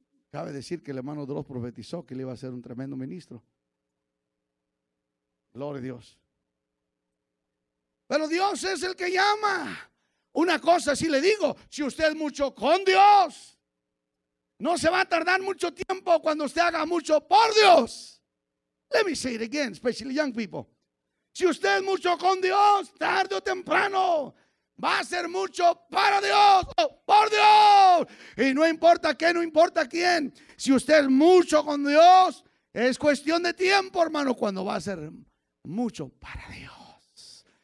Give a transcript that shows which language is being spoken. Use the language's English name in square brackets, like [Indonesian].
[Spanish] Cabe decir que el hermano Dross profetizó que le iba a ser un tremendo ministro. Gloria a Dios. Pero Dios es el que llama. Una cosa sí le digo, si usted es mucho con Dios, no se va a tardar mucho tiempo cuando usted haga mucho por Dios. [English] Let me say it again, especially young people. [Spanish] Si usted es mucho con Dios, tarde o temprano va a ser mucho para Dios, por Dios. Y no importa qué, no importa quién. Si usted es mucho con Dios, es cuestión de tiempo, hermano, cuando va a ser mucho para Dios.